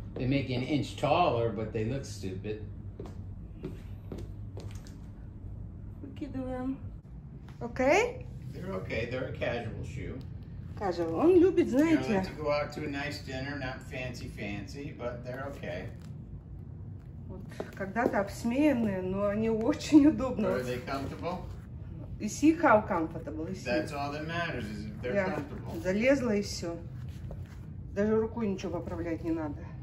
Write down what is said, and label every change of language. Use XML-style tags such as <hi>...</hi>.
<en>They make you an inch taller, but they look stupid.</en> <ru>Выкидываем. Okay?</ru> <en>They're okay. They're a casual shoe.</en> <ru>Casual. Он любит, знаете.</ru> <en>You know, to go out to a nice dinner, not fancy fancy, but they're okay.</en> <ru>Когда-то обсмеянные, но они очень удобны.</ru> <en>Are they comfortable? You see how comfortable is. That's all that matters, is if they're comfortable.</en> <ru>Залезла и все. Даже рукой ничего поправлять не надо.</ru>